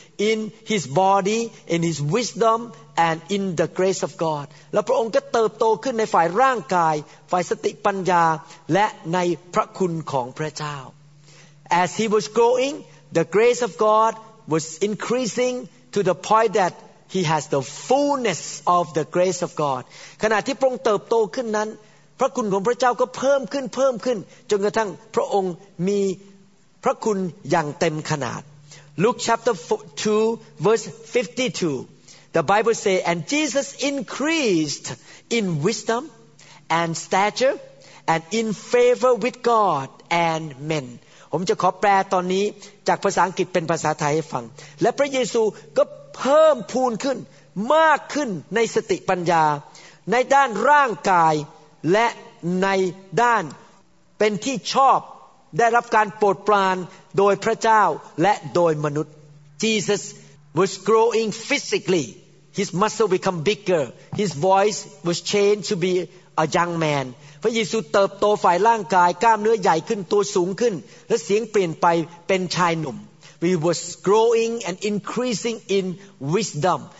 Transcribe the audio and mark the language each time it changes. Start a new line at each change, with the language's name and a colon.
English: in his body in his wisdom and in the grace of God
Thai: แล้วพระองค์ก็เติบโตขึ้นในฝ่ายร่างกายฝ่ายสติปัญญาและในพระคุณของพระเจ้า
English: As he was growing, the grace of God was increasing to the point that he has the fullness of the grace of God.
Thai: ขณะที่พระองค์เติบโตขึ้นนั้นพระคุณของพระเจ้าก็เพิ่มขึ้นเพิ่มขึ้นจนกระทั่งพระองค์มีพระคุณอย่างเต็มขนาด
English: Luke chapter 2 verse 52. The Bible says, And Jesus increased in wisdom and stature and in favor with God and men.
Thai: ผมจะขอแปลตอนนี้จากภาษาอังกฤษเป็นภาษาไทยให้ฟังและพระเยซูก็เพิ่มพูนขึ้นมากขึ้นในสติปัญญาในด้านร่างกายและในด้าน เป็นที่ชอบได้รับการโปรดปรานโดยพระเจ้าและโดยมนุษย์
English: Jesus was growing physically his muscle become bigger his voice was changed to be a young man
Thai: พระเยซูเติบโตฝ่ายร่างกายกล้ามเนื้อใหญ่ขึ้นตัวสูงขึ้นและเสียงเปลี่ยนไปเป็นชายหนุ่ม
English: We was growing and increasing in wisdom